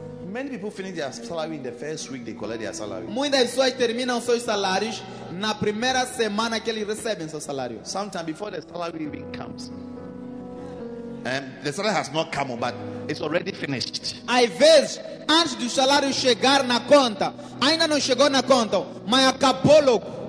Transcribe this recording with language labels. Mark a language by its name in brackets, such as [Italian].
[English] Many people finish their salary in the first week they collect their salary. [Portuguese] Muitas pessoas terminam seus salários na primeira semana que eles recebem seu salário. [English] Sometimes before the salary even comes. The salary has not come, but it's already finished. [Portuguese] Às vezes, antes do salário chegar na conta, ainda não chegou na conta, mas acabou logo.